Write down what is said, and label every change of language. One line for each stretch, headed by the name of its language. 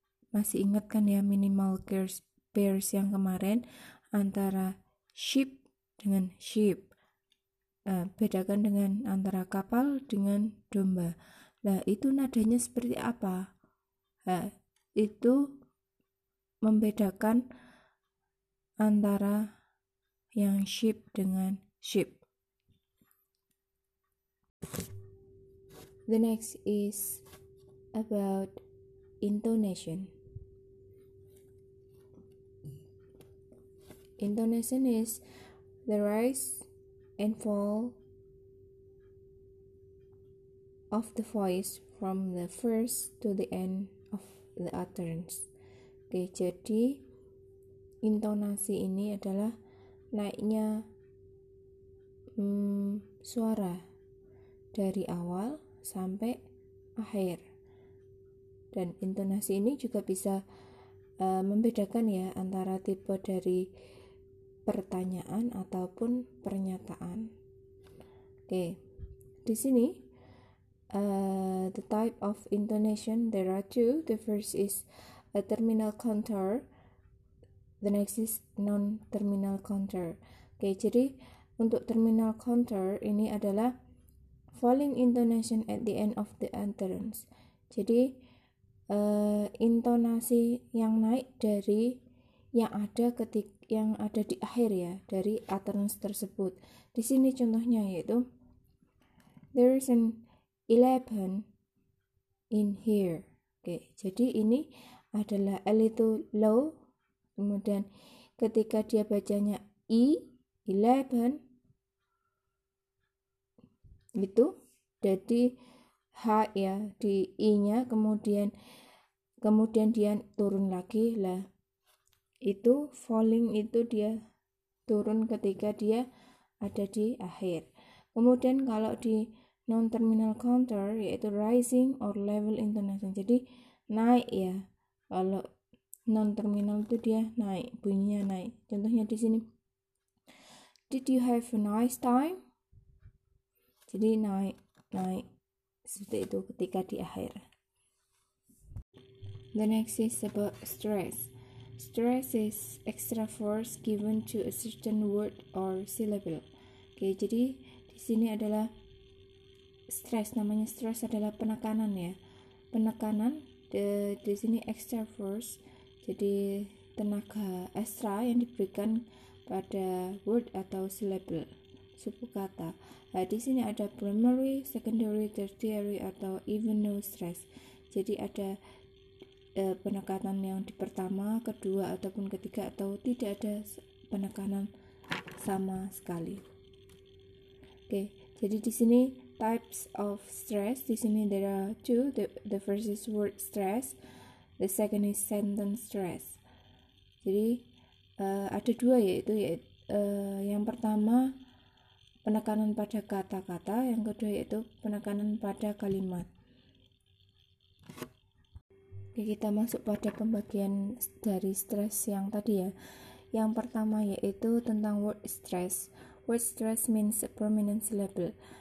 Indonesian: Masih ingat kan ya minimal pairs yang kemarin, antara ship dengan ship, bedakan dengan antara kapal dengan domba. Nah, itu nadanya seperti apa? Itu membedakan antara yang ship dengan ship.
English: The next is about intonation. Intonation is the rise and fall of the voice from the first to the end of the utterance.
Indonesian: Okay, jadi intonasi ini adalah naiknya suara dari awal sampai akhir. Dan intonasi ini juga bisa membedakan ya antara tipe dari pertanyaan ataupun pernyataan. Oke. Di sini
English: the type of intonation there are two. The first is a terminal contour. The next is non-terminal contour.
Indonesian: Oke, jadi untuk terminal contour ini adalah
English: falling intonation at the end of the utterance.
Indonesian: Jadi intonasi yang naik dari yang ada di akhir ya, dari utterance tersebut. Di sini contohnya yaitu
English: there is an 11 in here.
Indonesian: Oke, jadi ini adalah
English: a little low.
Indonesian: Kemudian ketika dia bacanya i 11 gitu, jadi h ya di i nya kemudian dia turun lagi lah, itu falling, itu dia turun ketika dia ada di akhir. Kemudian kalau di non terminal counter yaitu
English: rising or level intonation,
Indonesian: jadi naik ya. Kalau non terminal itu dia naik, bunyinya naik.
English: Contohnya di sini, did you have a nice time?
Indonesian: Jadi naik seperti itu ketika di akhir.
English: The next is about stress. Stress is extra force given to a certain word or syllable.
Indonesian: Okay, jadi di sini adalah stress. Namanya stress adalah penekanan ya. Penekanan di sini
English: extra force.
Indonesian: Jadi tenaga ekstra yang diberikan pada word atau syllable, subkata. Nah, di sini ada primary, secondary, tertiary, atau even no stress. Jadi ada penekanan yang di pertama, kedua, ataupun ketiga, atau tidak ada penekanan sama sekali. Oke, jadi di sini
English: types of stress.
Indonesian: Di sini
English: there are two. The first is word stress. The second is sentence stress.
Indonesian: Jadi ada dua, yaitu yang pertama penekanan pada kata-kata, yang kedua yaitu penekanan pada kalimat. Oke, kita masuk pada pembagian dari stres yang tadi ya. Yang pertama yaitu tentang word stress.
English: Word stress means a prominence level.